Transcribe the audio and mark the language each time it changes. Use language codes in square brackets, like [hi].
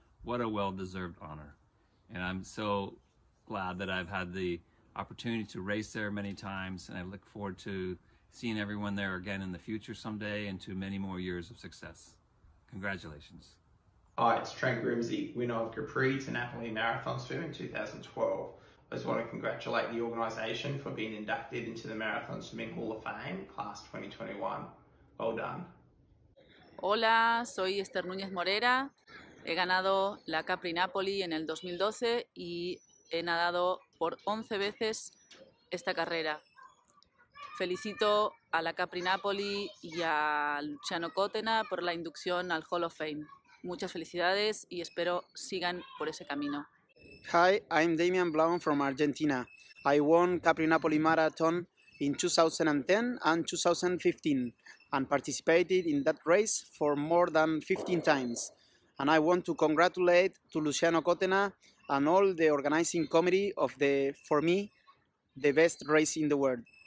[en] What a well-deserved honor. And I'm so glad that I've had the opportunity to race there many times, and I look forward to seeing everyone there again in the future someday and to many more years of success. Congratulations. Hi, it's Trent Grimsey, winner of Capri to Napoli Marathon Swimming 2012. I just want to congratulate the organization for being inducted into the Marathon Swimming Hall of Fame Class 2021. Well done. [es] Hola, soy Esther Núñez Morera. He ganado la Capri Napoli en el 2012 y he nadado por 11 veces esta carrera. Felicito a la Capri Napoli y a Luciano Codena por la inducción al Hall of Fame. Muchas felicidades y espero sigan por ese camino. [en] Hi, I'm Damian Blount from Argentina. I won Capri Napoli Marathon in 2010 and 2015 and participated in that race for more than 15 times. And I want to congratulate to Luciano Codena and all the organizing committee of the, for me, the best race in the world.